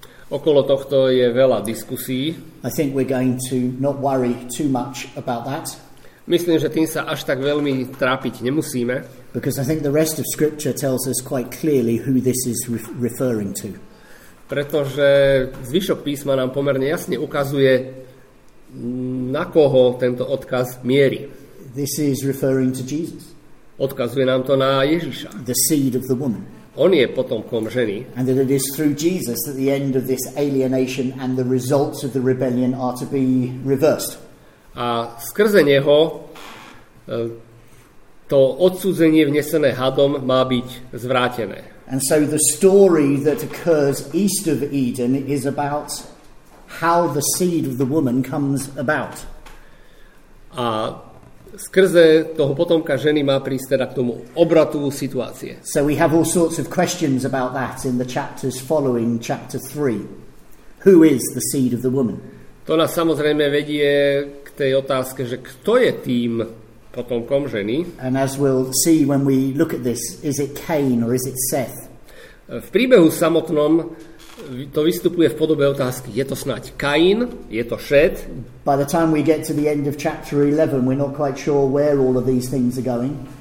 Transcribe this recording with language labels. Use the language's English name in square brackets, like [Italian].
[Slovak] Okolo tohto je veľa diskusií. [English] I think we're going to not worry too much about that. [Slovak] Myslím, že tým sa až tak veľmi trápiť nemusíme. [English] Because I think the rest of scripture tells us quite clearly who this is referring to. [Slovak] Pretože zvyšok písma nám pomerne jasne ukazuje, na koho tento odkaz mierí. [English] This is referring to Jesus. [Slovak] Odkazuje nám to na Ježiša. [English] The seed of the woman. [Slovak] On je potomkom ženy. [English] And that it is through Jesus that the end of this alienation and the results of the rebellion are to be reversed. [Slovak] A skrze neho to odsúdenie vnesené hadom má byť zvrátené. [English] And so the story that occurs east of Eden is about how the seed of the woman comes about. [Slovak] A skrze toho potomka ženy má prísť teda k tomu obratu situácie. [English] So we have all sorts of questions about that in the chapters following chapter 3. Who is the seed of the woman? [Slovak] To nás samozrejme vedie k tej otázke, že kto je tým potomkom ženy. [English] And as we'll see when we look at this, is it Cain or is it Seth? [Slovak] V príbehu samotnom to vystupuje v podobe otázky. Je to snáď Kain? Je to Šet? [English] By the time we get to the end of chapter 11, we're not quite sure where all of these things are going.